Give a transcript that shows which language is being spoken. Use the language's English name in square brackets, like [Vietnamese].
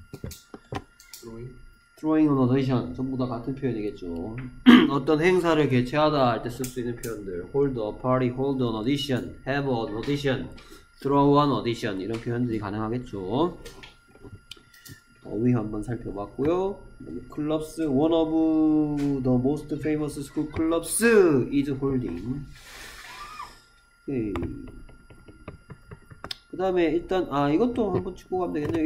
[English] Invite. Throwing an audition. [Korean] 전부 다 같은 표현이겠죠. 어떤 행사를 개최하다 할 때 쓸 수 있는 표현들. [English] Hold a party, hold an audition. Have an audition. Throw an audition. [Korean] 이런 표현들이 가능하겠죠. 어휘 한번 살펴봤고요. [English] 클럽스, one of the most famous school clubs is holding. 오케이. [Korean] 그 다음에 일단 아 이것도 한번 짚고 가면 되겠네요.